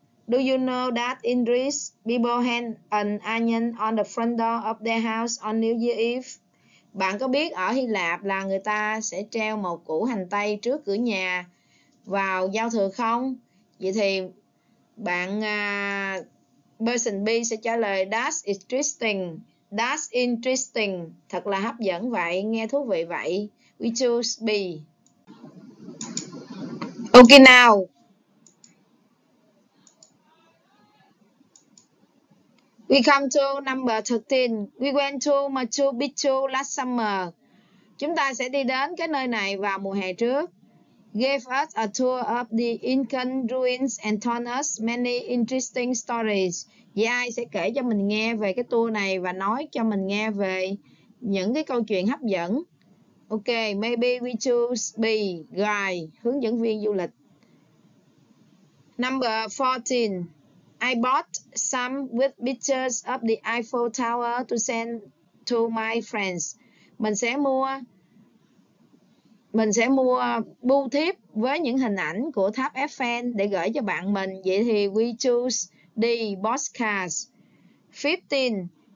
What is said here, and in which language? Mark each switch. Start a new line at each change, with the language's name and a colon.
English: Do you know that in Greece, people hang an onion on the front door of their house on New Year's Eve?
Vietnamese: Bạn có biết ở Hy Lạp là người ta sẽ treo một củ hành tây trước cửa nhà vào giao thừa không? Vậy thì bạn person B sẽ trả lời
English: that's interesting. That's interesting.
Vietnamese: Thật là hấp dẫn vậy, nghe thú vị vậy.
English: We choose B.
Vietnamese: Ok nào.
English: We come to number 13. We went to Machu Picchu last summer.
Vietnamese: Chúng ta sẽ đi đến cái nơi này vào mùa hè trước.
English: Gave us a tour of the Incan ruins and told us many interesting stories.
Vietnamese: Vậy ai sẽ kể cho mình nghe về cái tour này và nói cho mình nghe về những cái câu chuyện hấp dẫn?
English: Ok, maybe we choose B, guide,
Vietnamese: hướng dẫn viên du lịch.
English: Number 14. I bought some with pictures of the Eiffel Tower to send to my friends.
Vietnamese: Mình sẽ mua bưu thiếp với những hình ảnh của tháp Eiffel để gửi cho bạn mình. Vậy thì
English: we choose D, postcards. 15.